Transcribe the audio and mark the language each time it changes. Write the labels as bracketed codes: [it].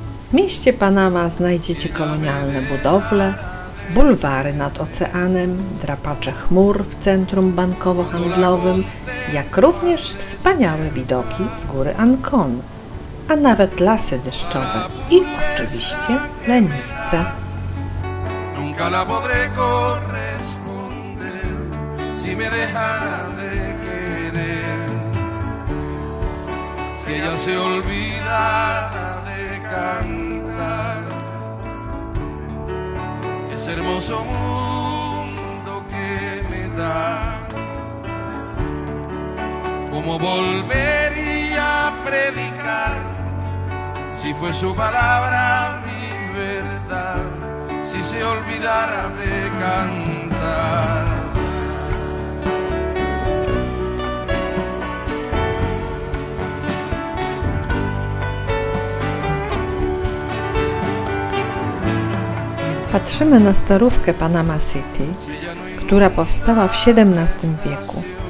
[pl] W mieście Panama znajdziecie kolonialne budowle, bulwary nad oceanem, drapacze chmur w centrum bankowo-handlowym, jak również wspaniałe widoki z góry Ancon, a nawet lasy deszczowe i oczywiście leniwce. [es] La podré corresponder si me deja de querer, si ella se olvida de cantar ese hermoso mundo que me da, como volvería a predicar si fue su palabra mi verdad. Si se olvidara de cantar, [pl] patrzymy na starówkę Panama City, która powstała w XVII wieku.